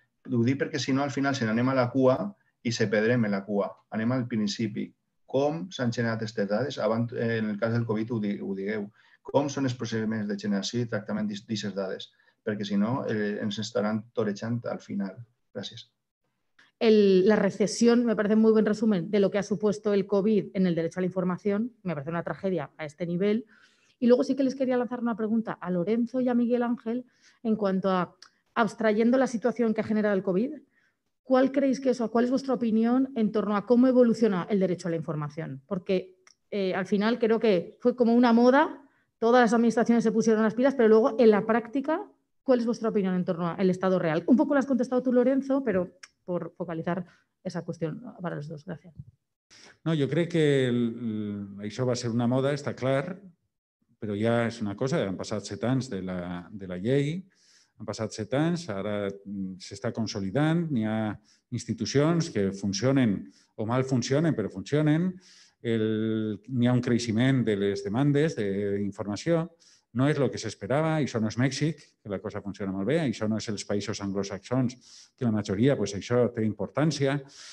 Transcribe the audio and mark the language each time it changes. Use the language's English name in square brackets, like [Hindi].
[Catalan] Ho dic perquè si no, al final, si anem a la cua i se pedrem en la cua, anem al principi. Com s'han generat aquestes dades? Abans, en el cas del Covid ho digueu. Com són els procediments de generació i tractament d'aquestes dades? Perquè si no, ens estaran torejant al final. Gràcies. [Spanish] La recesión, me parece muy buen resumen de lo que ha supuesto el COVID en el derecho a la información. Me parece una tragedia a este nivel. Y luego sí que les quería lanzar una pregunta a Lorenzo y a Miguel Ángel en cuanto a, abstrayendo la situación que ha generado el COVID, ¿cuál creéis que es o cuál es vuestra opinión en torno a cómo evoluciona el derecho a la información? Porque al final creo que fue como una moda, todas las administraciones se pusieron las pilas, pero luego en la práctica, ¿cuál es vuestra opinión en torno al estado real? Un poco lo has contestado tú, Lorenzo, pero por focalizar esa cuestión para los dos. Gracias. No, yo creo que [Catalan] això va a ser una moda, [Spanish] está claro, [Catalan] però ja és una cosa, han passat 7 anys de la llei, han passat 7 anys, ara s'està consolidant, n'hi ha institucions que funcionen o mal funcionen, però funcionen, n'hi ha un creixement de les demandes d'informació, no és el que s'esperava, això no és Mèxic, que la cosa funciona molt bé, això no és els països anglosaxons, que la majoria, pues, això té importància.